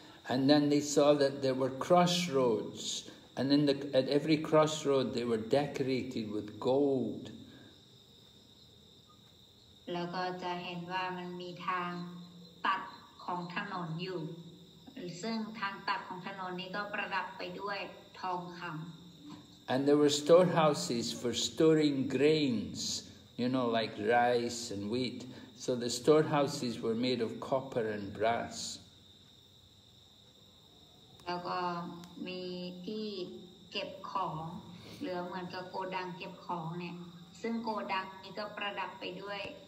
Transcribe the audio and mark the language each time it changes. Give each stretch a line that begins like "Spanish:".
English: And then they saw that there were crossroads, and in the, at every crossroad they were decorated with gold.
Thai: แล้วก็จะเห็นว่ามันมีทางตัดของถนนอยู่ซึ่งทางตัดของถนนนี้ก็ประดับไปด้วยทองคำ
English: And there were storehouses for storing grains, you know, like rice and wheat. So the storehouses were made of copper and brass.
Thai: แล้วก็มีที่เก็บของเหลือเหมือนกับโกดังเก็บของเนี่ยซึ่งโกดังนี้ก็ประดับไปด้วย